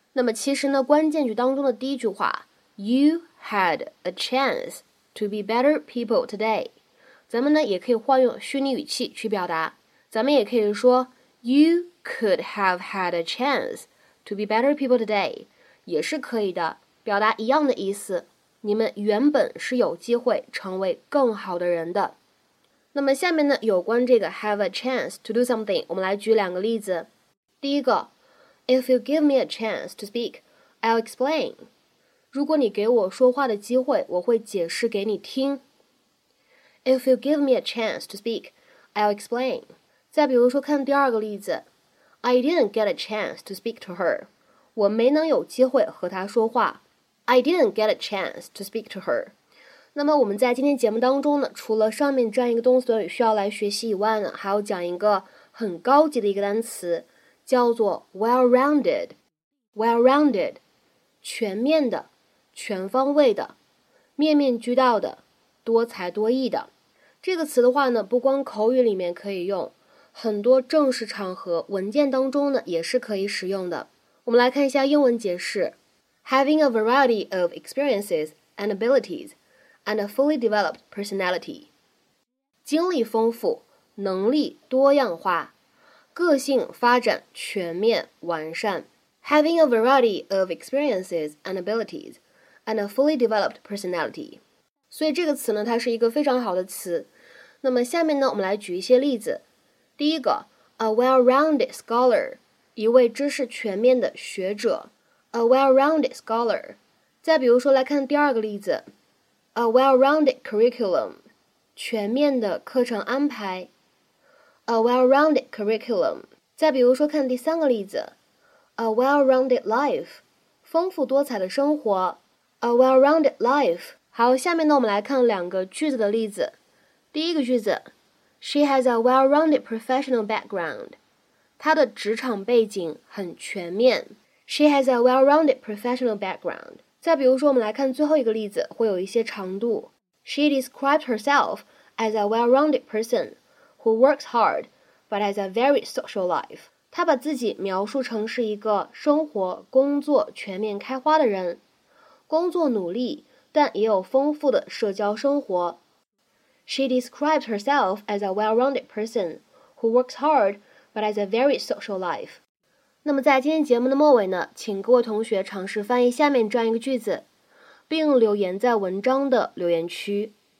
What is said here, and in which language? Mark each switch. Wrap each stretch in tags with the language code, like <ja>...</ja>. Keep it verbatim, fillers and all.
<zh>那么其实呢，关键句当中的第一句话</zh> <en>You had a chance to be better people today，</en> <zh>咱们呢也可以换用虚拟语气去表达，咱们也可以说</zh> <en>You could have had a chance to be better people today，</en> <zh>也是可以的，表达一样的意思，你们原本是有机会成为更好的人的。那么下面呢，有关这个 have a chance to do something， 我们来举两个例子。第一个</zh> <en>，If you give me a chance to speak, I'll explain。</en> <zh>如果你给我说话的机会，我会解释给你听。</zh> <en>If you give me a chance to speak, I'll explain。</en> <zh>再比如说，看第二个例子</zh> <en>，I didn't get a chance to speak to her。</en> <zh>我没能有机会和她说话。</zh> <en>I didn't get a chance to speak to her。</en> <zh>那么我们在今天节目当中呢，除了上面这样一个动词短语需要来学习以外呢，还要讲一个很高级的一个单词，叫做 well-rounded。 well-rounded 全面的，全方位的，面面俱到的，多才多艺的。这个词的话呢，不光口语里面可以用，很多正式场合文件当中呢也是可以使用的。我们来看一下英文解释</zh> <en>Having a variety of experiences and abilities and a fully developed personality.</en> <zh>经历丰富，能力多样化，个性发展全面完善。</zh> <en>Having a variety of experiences and abilities and a fully developed personality.</en> <zh>所以这个词呢，它是一个非常好的词。那么下面呢，我们来举一些例子。第一个 ，a well-rounded scholar， 一位知识全面的学者。 a well-rounded scholar。 再比如说，来看第二个例子 ，a well-rounded curriculum， 全面的课程安排。</zh> <en>a well-rounded curriculum。</en> <zh>再比如说，看第三个例子 ，a well-rounded life， 丰富多彩的生活。</zh> <en>a well-rounded life。</en> <zh>好，下面呢，我们来看两个句子的例子。第一个句子 ，</zh> <en>She has a well-rounded professional background，</en> <zh>她的职场背景很全面。</zh> <en>She has a well-rounded professional background。</en> <zh>再比如说，我们来看最后一个例子，会有一些长度。</zh> <en>She described herself as a well-rounded person who works hard but has a varied social life。</en> <zh>她把自己描述成是一个生活、工作全面开花的人，工作努力，但也有丰富的社交生活。</zh> <en>She described herself as a well-rounded person who works hard but has a varied social life。</en> <zh>那么在今天节目的末尾呢，请各位同学尝试翻译下面这样一个句子，并留言在文章的留言区。</zh>